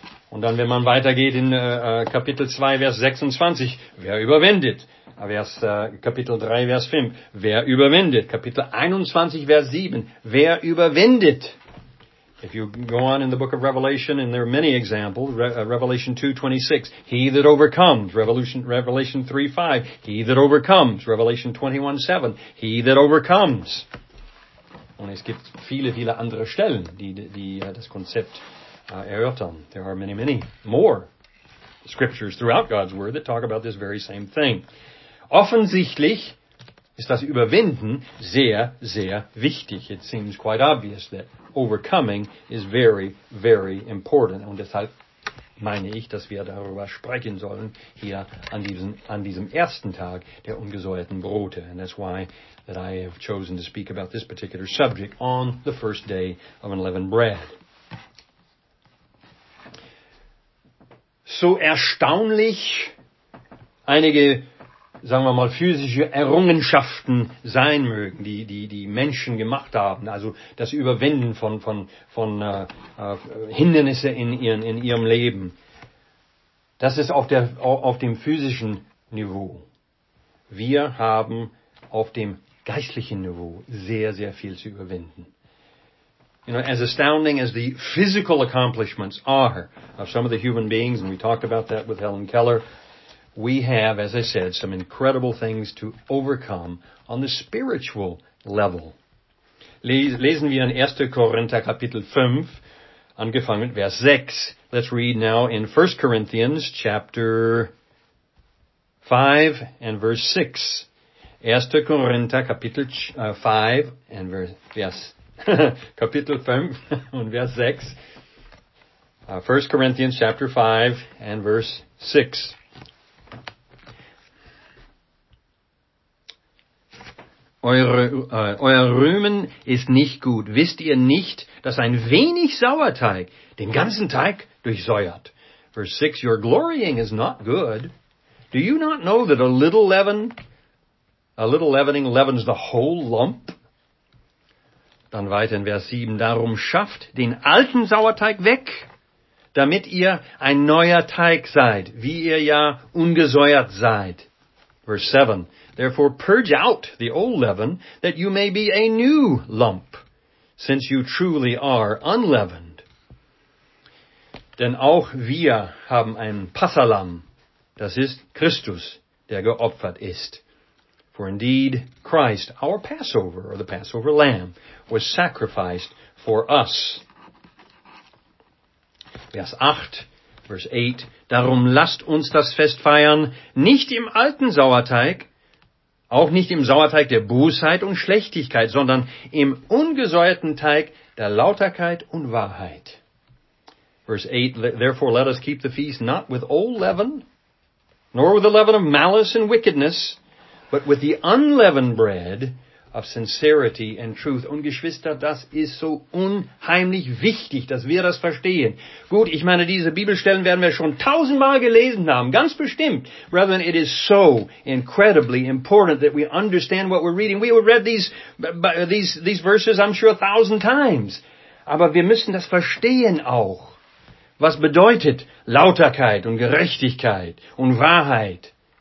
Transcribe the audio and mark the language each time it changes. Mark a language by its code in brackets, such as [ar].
[de] Und dann, wenn man weitergeht in Kapitel 2, Vers 26, wer überwindet? Kapitel 3, Vers 5, wer überwindet? Kapitel 21, Vers 7, wer überwindet? [en] If you go on in the book of Revelation, and there are many examples, Revelation 2:26, he that overcomes, Revelation 3:5, he that overcomes, Revelation 21:7, he that overcomes. [de] Und es gibt viele, viele andere Stellen, die das Konzept erörtern. [en] There are many, many more scriptures throughout God's Word that talk about this very same thing. [de] Offensichtlich ist das Überwinden sehr, sehr wichtig. [en] It seems quite obvious that overcoming is very, very important. [de] Und deshalb meine ich, dass wir darüber sprechen sollen hier an diesem ersten Tag der ungesäuerten Brote. [en] And that's why that I have chosen to speak about this particular subject on the first day of unleavened bread. [de] So erstaunlich einige, sagen wir mal, physische Errungenschaften sein mögen, die Menschen gemacht haben, also das Überwinden von Hindernisse in ihrem Leben. Das ist auf dem physischen Niveau. Wir haben auf dem geistlichen Niveau sehr, sehr viel zu überwinden. [en] You know, as astounding as the physical accomplishments are of some of the human beings, and we talked about that with Helen Keller, we have, as I said, some incredible things to overcome on the spiritual level. [de] Lesen wir in 1. Korinther Kapitel 5, angefangen mit Vers 6. [en] Let's read now in 1. Corinthians chapter 5 and verse 6. 1. [de] Korinther Kapitel 5 and Vers Kapitel 5 und Vers 6. 1. [en] Corinthians chapter 5 and verse 6. [de] Euer Rühmen ist nicht gut. Wisst ihr nicht, dass ein wenig Sauerteig den ganzen Teig durchsäuert? [en] Verse 6, your glorying is not good. Do you not know that a little leavening leavens the whole lump? [de] Dann weiter in Vers 7, darum schafft den alten Sauerteig weg, damit ihr ein neuer Teig seid, wie ihr ja ungesäuert seid. [en] Verse 7, therefore purge out the old leaven, that you may be a new lump, since you truly are unleavened. [de] Denn auch wir haben ein Passahlamm, das ist Christus, der geopfert ist. [en] For indeed Christ, our Passover, or the Passover lamb, was sacrificed for us. [de] Vers 8, Verse 8, darum lasst uns das Fest feiern, nicht im alten Sauerteig, auch nicht im Sauerteig der Bosheit und Schlechtigkeit, sondern im ungesäuerten Teig der Lauterkeit und Wahrheit. [en] Verse 8, therefore let us keep the feast not with old leaven, nor with the leaven of malice and wickedness, but with the unleavened bread of sincerity and truth. [de] Und Geschwister, das ist so unheimlich wichtig, dass wir das verstehen. Gut, ich meine, diese Bibelstellen werden wir schon tausendmal gelesen haben, ganz bestimmt. [en] Brethren, it is so incredibly important that we understand what we're reading. We have read these verses, I'm sure, a thousand times. [de] Aber wir müssen das verstehen auch. Was bedeutet Lauterkeit und Gerechtigkeit und Wahrheit?